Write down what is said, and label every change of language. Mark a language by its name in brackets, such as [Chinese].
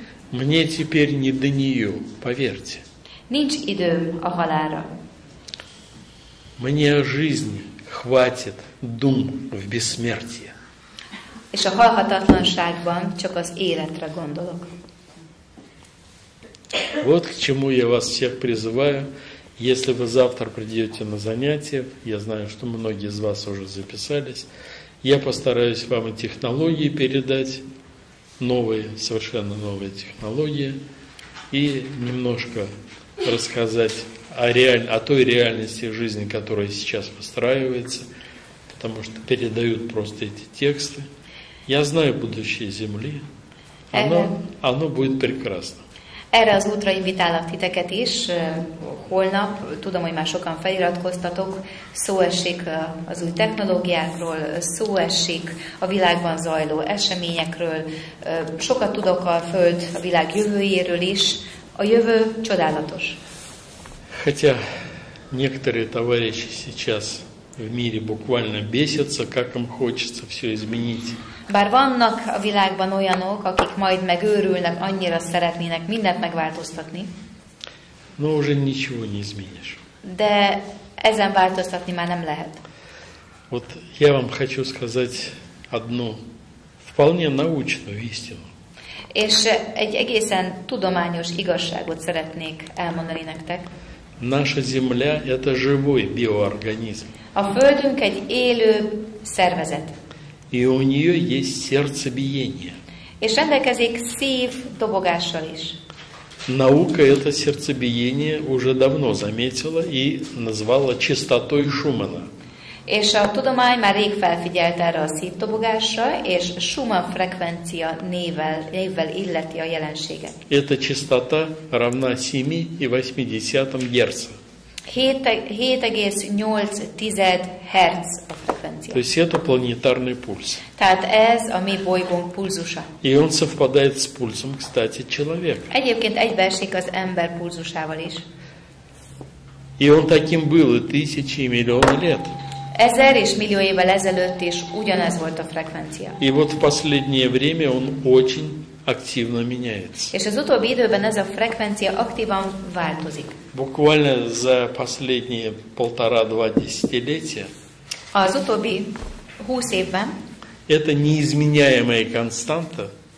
[Russian] Мне теперь не до нее, поверьте. [Hungarian] Nincs időm a halálra. [Russian] Мне о жизни хватит дум в бессмертие. [Hungarian] És a halhatatlanságban csak az életre gondolok. [Russian] Вот к чему я вас всех призываю. Если вы завтра придете на занятия, я знаю, что многие из вас уже записались, я постараюсь вам и технологии передать, новые, совершенно новые технологии, и немножко рассказать о той реальности жизни, которая сейчас выстраивается, потому что передают просто эти тексты. Я знаю будущее Земли. Оно будет прекрасно. [Hungarian] Erre az útra invitálok titeket is. Holnap, tudom, hogy már sokan feliratkoztatok, szó esik az új technológiákról, szó esik a világban zajló eseményekről. Sokat tudok a Föld, a világ jövőjéről is. A jövő csodálatos. [Russian] Хотя некоторые товарищи сейчас в мире буквально бесятся, как им хочется все изменить. [Hungarian] Bár vannak a világban olyanok, akik majd megőrülnek, annyira szeretnének mindent megváltoztatni. [Russian] No, уже ничего не изменишь. [Hungarian] De ezen változtatni már nem lehet. [Russian] Вот я вам хочу сказать одну вполне научную истину. [Hungarian] És egy egészen tudományos igazságot szeretnék elmondani nektek. [Russian] Наша Земля – это живой биоорганизм. [Hungarian] A Földünk egy élő szervezet. [Russian] И у нее есть сердцебиение. [Hungarian] És rendelkezik szív dobogással is. [Russian] Наука это сердцебиение уже давно заметила и назвала частотой Шумана. [Hungarian] És a tudomány már rég felfigyelt erre a szívdobogásra, és Schumann frekvencia névvel illeti a jelenséget. [Russian] Эта частота равна 7,8 Гц. [Hungarian] 7,8 Гц a frekvencia. [Russian] То есть это планетарный пульс. [Hungarian] Tehát ez a mi bolygónk pulzusa. [Russian] И он совпадает с пульсом, кстати, человека. [Hungarian] Egyébként egybeesik az ember pulzusával is. [Russian] И он таким был и тысячи, и миллионы лет. [Hungarian] Ezer és millió évvel ezelőtt is ugyanez volt a frekvencia. [Russian] И вот в последнее время он очень активно меняется. [Hungarian] És az utóbbi időben ez a frekvencia aktívan változik. [Russian] Буквально за последние полтора-два десятилетия. [Hungarian] Az utóbbi 20 évben. [Russian] Это неизменяемая константа.